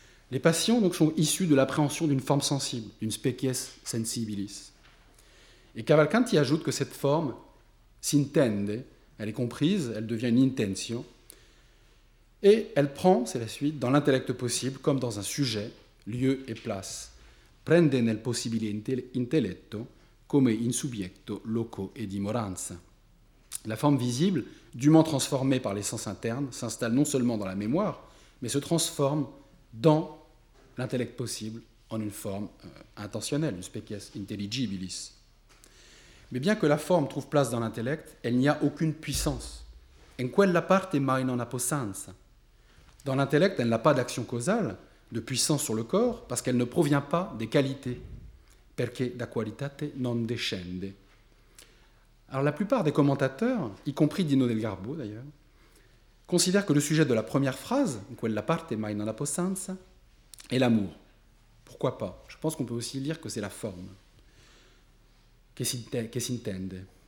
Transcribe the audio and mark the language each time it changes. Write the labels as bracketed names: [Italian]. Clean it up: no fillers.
[French] Les passions donc sont issues de l'appréhension d'une forme sensible, d'une species sensibilis. Et Cavalcanti ajoute que cette forme s'intende, elle est comprise, elle devient une intention, et elle prend, c'est la suite, dans l'intellect possible, comme dans un sujet, lieu et place. [Italian] Prende nel possibile intelletto come in subjecto loco e dimoranza. [French] La forme visible, dûment transformée par les sens internes, s'installe non seulement dans la mémoire, mais se transforme dans l'intellect possible en une forme intentionnelle, une species intelligibilis. Mais bien que la forme trouve place dans l'intellect, elle n'y a aucune puissance. [Italian] En quella parte mai non ha possanza. [French] Dans l'intellect, elle n'a pas d'action causale, de puissance sur le corps, parce qu'elle ne provient pas des qualités. [Italian] Perché da qualitate non descende. [French] Alors la plupart des commentateurs, y compris Dino Del Garbo d'ailleurs, considèrent que le sujet de la première phrase, « [Italian] Quella parte mai non ha possanza [French] », est l'amour. Pourquoi pas? Je pense qu'on peut aussi dire que c'est la forme. [Italian] Che s'intende.